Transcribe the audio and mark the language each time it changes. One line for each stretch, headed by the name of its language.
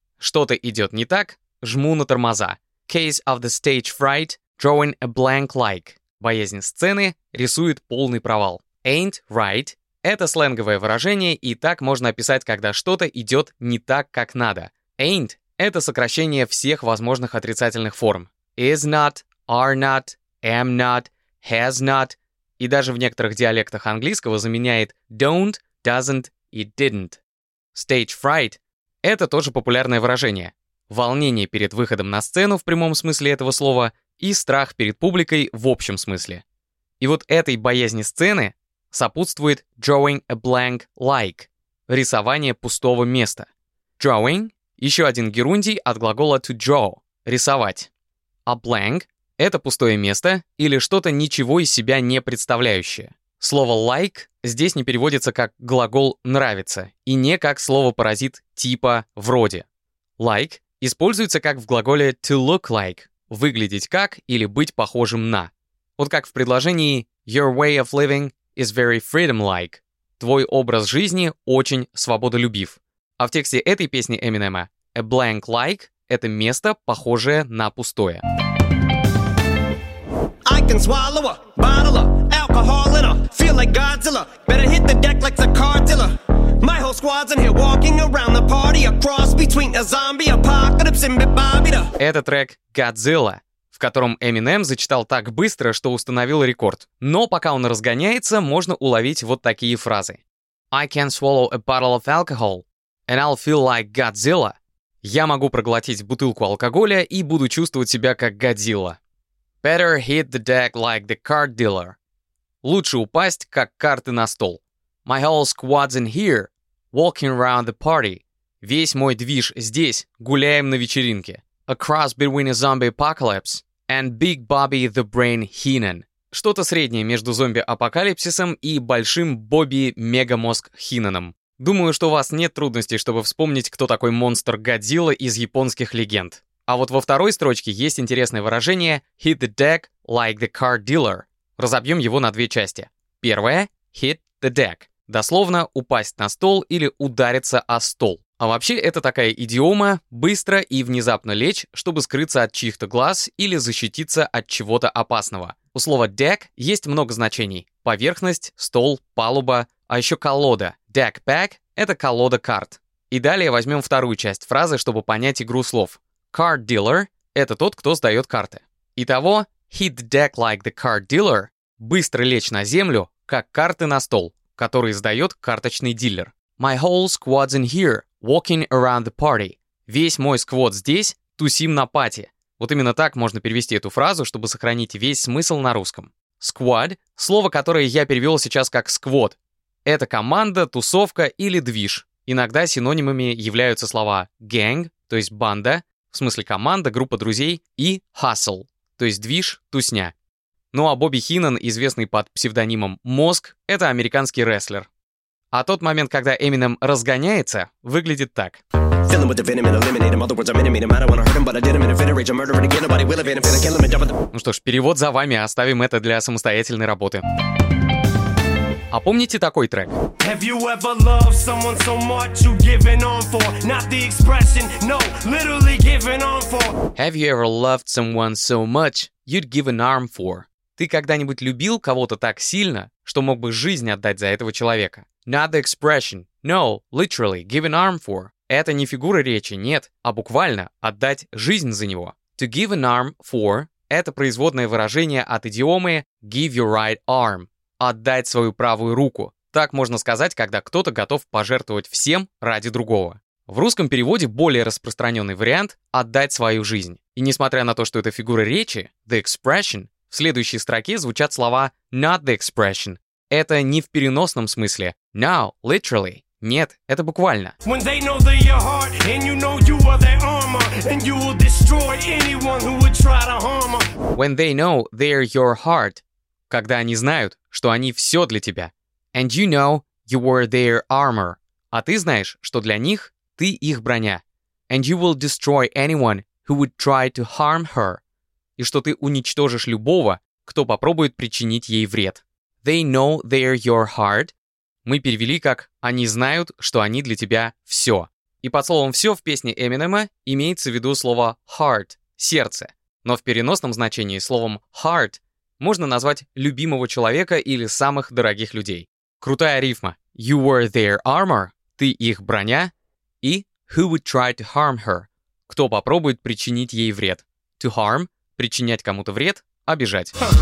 Russian: Что-то идет не так, жму на тормоза.
English: Case of the stage fright, drawing a blank like.
Russian: Боязнь сцены рисует полный провал.
English: Ain't right
Russian: — это сленговое выражение, и так можно описать, когда что-то идет не так, как надо. Ain't — это сокращение всех возможных отрицательных форм.
English: Is not, are not, am not, has not.
Russian: И даже в некоторых диалектах английского заменяет don't, doesn't и didn't.
English: Stage fright
Russian: – это тоже популярное выражение. Волнение перед выходом на сцену в прямом смысле этого слова и страх перед публикой в общем смысле. И вот этой боязни сцены сопутствует
English: drawing a blank like
Russian: – рисование пустого места. Drawing – еще один герундий от глагола
English: to draw
Russian: – рисовать.
English: A blank
Russian: – это пустое место или что-то ничего из себя не представляющее. Слово like здесь не переводится как глагол нравится и не как слово-паразит типа вроде. Like используется как в глаголе
English: to look like
Russian: – выглядеть как или быть похожим на. Вот как в предложении
English: your way of living is very freedom-like
Russian: – твой образ жизни очень свободолюбив. А в тексте этой песни Эминема
English: a blank like
Russian: – это место, похожее на пустое.
English: I can swallow a bottle of alcohol in a feel like Godzilla. Better hit the deck like Zacardilla. My whole squad's in here walking around the party. A cross between a zombie apocalypse and Bibabida.
Russian: Это трек Godzilla, в котором Eminem зачитал так быстро, что установил рекорд. Но пока он разгоняется, можно уловить вот такие фразы.
English: I can swallow a bottle of alcohol and I'll feel like Godzilla.
Russian: Я могу проглотить бутылку алкоголя и буду чувствовать себя как Godzilla.
English: Better hit the deck like the card dealer.
Russian: Лучше упасть, как карты на стол.
English: My whole squad's in here, walking around the party.
Russian: Весь мой движ здесь, гуляем на вечеринке.
English: Across between a zombie apocalypse and Big Bobby the Brain Heenan.
Russian: Что-то среднее между зомби-апокалипсисом и большим Бобби Мегамозг Хинаном. Думаю, что у вас нет трудностей, чтобы вспомнить, кто такой монстр Годзилла из японских легенд. А вот во второй строчке есть интересное выражение
English: «hit the deck like the car dealer».
Russian: Разобьем его на две части. Первое –
English: «hit the deck».
Russian: Дословно «упасть на стол» или «удариться о стол». А вообще это такая идиома «быстро и внезапно лечь», чтобы скрыться от чьих-то глаз или защититься от чего-то опасного. У слова «deck» есть много значений. Поверхность, стол, палуба, а еще колода.
English: «Deck pack»
Russian: – это колода карт. И далее возьмем вторую часть фразы, чтобы понять игру слов.
English: Card dealer
Russian: – это тот, кто сдает карты. Итого,
English: hit the deck like the card dealer
Russian: – быстро лечь на землю, как карты на стол, которые сдает карточный дилер. My whole squad's in here, walking around the party. Весь мой сквот здесь, тусим на пати. Вот именно так можно перевести эту фразу, чтобы сохранить весь смысл на русском. Squad – слово, которое я перевел сейчас как сквот. Это команда, тусовка или движ. Иногда синонимами являются слова gang, то есть банда, в смысле команда, группа друзей, и hustle, то есть движ, тусня. Ну а Бобби Хинан, известный под псевдонимом Мозг, это американский рестлер. А тот момент, когда Eminem разгоняется, выглядит так. Ну что ж, перевод за вами, оставим это для самостоятельной работы. А помните такой трек?
English: Have you ever loved someone so much you given on for? Not the expression, no, literally given on for. Have you ever loved someone so much you'd give an arm for?
Russian: Ты когда-нибудь любил кого-то так сильно, что мог бы жизнь отдать за этого человека?
English: Not the expression, no, literally given arm for.
Russian: Это не фигура речи, нет, а буквально отдать жизнь за него.
English: To give an arm for
Russian: – это производное выражение от идиомы
English: give your right arm.
Russian: Отдать свою правую руку. Так можно сказать, когда кто-то готов пожертвовать всем ради другого. В русском переводе более распространенный вариант – отдать свою жизнь. И несмотря на то, что это фигура речи,
English: the expression,
Russian: в следующей строке звучат слова
English: not the expression.
Russian: Это не в переносном смысле.
English: Now, literally.
Russian: Нет, это буквально.
English: When they know that your heart and you know you are their armor and you will destroy anyone who would try to harm them. When they know they're your heart.
Russian: Когда они знают, что они все для тебя.
English: And you know you were their armor.
Russian: А ты знаешь, что для них ты их броня.
English: And you will destroy anyone who would try to harm her.
Russian: И что ты уничтожишь любого, кто попробует причинить ей вред.
English: They know they're your heart.
Russian: Мы перевели как «они знают, что они для тебя все». И под словом «все» в песне Эминема имеется в виду слово heart – сердце. Но в переносном значении словом heart – можно назвать любимого человека или самых дорогих людей. Крутая рифма.
English: You were their armor.
Russian: Ты их броня. И
English: who would try to harm her.
Russian: Кто попробует причинить ей вред.
English: To harm.
Russian: Причинять кому-то вред. Обижать.